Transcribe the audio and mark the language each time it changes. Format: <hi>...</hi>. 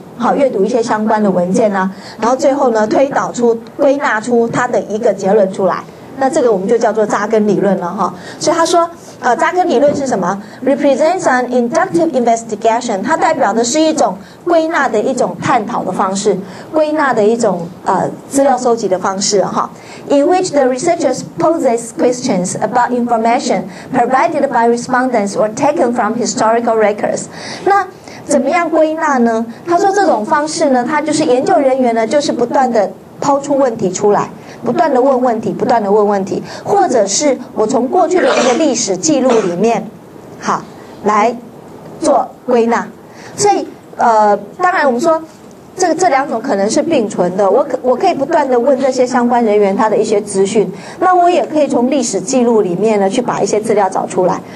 <zh>好，阅读一些相关的文件啊，然后最后呢推导出归纳出他的一个结论出来，那这个我们就叫做扎根理论了哈。所以他说扎根理论是什么？</zh> <en>represents an inductive investigation，</en> <zh>它代表的是一种归纳的一种探讨的方式，归纳的一种资料收集的方式哈。</zh> <en>in which the researchers poses questions about information provided by respondents or taken from historical records。</en> <zh>那怎么样归纳呢？他说这种方式呢，他就是研究人员呢，就是不断的抛出问题出来，不断的问问题，不断的问问题，或者是我从过去的一个历史记录里面，好，来做归纳。所以当然我们说这两种可能是并存的，我可以不断的问这些相关人员他的一些资讯，那我也可以从历史记录里面呢去把一些资料找出来。</zh>